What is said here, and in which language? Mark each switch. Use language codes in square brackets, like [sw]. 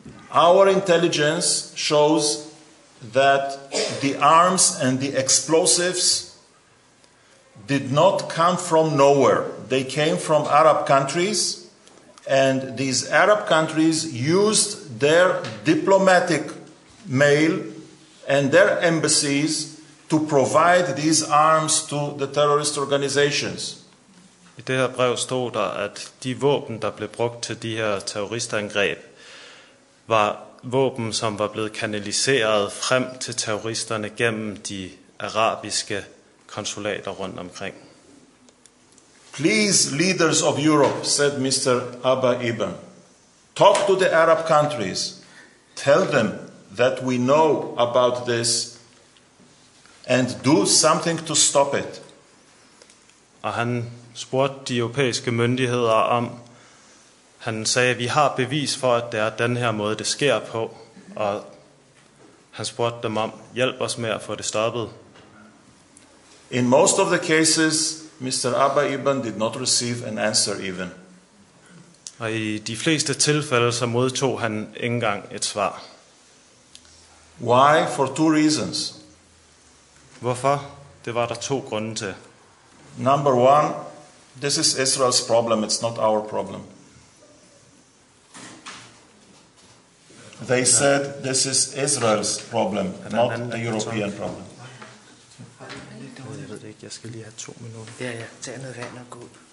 [en] Our intelligence shows that the arms and the explosives did not come from nowhere. They came from Arab countries, and these Arab countries used their diplomatic mail and their embassies to provide these arms to the terrorist organizations. [da] I det her brev stod der, at de våben, der blev brugt til de her terroristangreb, var våben, som var blevet kanaliseret frem til terroristerne gennem de arabiske konsulater rundt omkring. [en] Please, leaders of Europe, said Mr. Abba Iban, talk to the Arab countries, tell them that we know about this, and do something to stop it. [da] Og han spurgte de europæiske myndigheder om, han sagde, vi har bevis for, at det er den her måde, det sker på. Og han spurgte dem om, hjælp os med at få det stoppet. [en] In most of the cases, Mr. Abba Iban did not receive an answer even. [da] Og i de fleste tilfælde, så modtog han ikke engang et svar. [en] Why? For two reasons. [da] Hvorfor? Det var der to grunde til. [en] Number one, this is Israel's problem, it's not our problem. They said this is Israel's problem, not a European problem. [da] Jeg ved ikke, jeg skal lige have to minutter. Ja, ja, tag noget vand og gå.